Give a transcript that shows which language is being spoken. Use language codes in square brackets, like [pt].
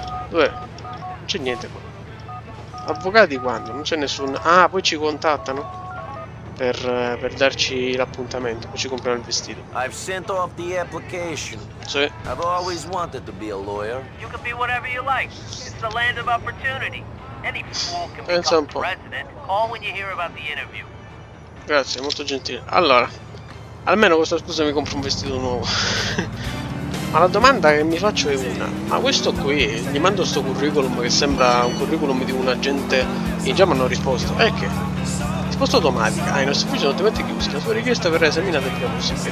[it] dove, non c'è niente qua, avvocati quando, non c'è nessun, ah, poi ci contattano, per darci l'appuntamento, poi ci compriamo il vestito. [en] I've sent off the application. [it] Sì. [en] I've always wanted to be a lawyer. You can be whatever you like. It's the land of opportunity. Any fool can become president. Call when you hear about the interview. [it] Grazie, molto gentile. Allora, Almeno questa scusa mi compro un vestito nuovo. Ma la domanda che mi faccio è una: ma questo qui, gli mando sto curriculum che sembra un curriculum di un agente, e già mi hanno risposto. E che? Risposta automatica: ah, il nostro ufficio è automaticamente chiuso, la sua richiesta verrà esaminata il prima possibile.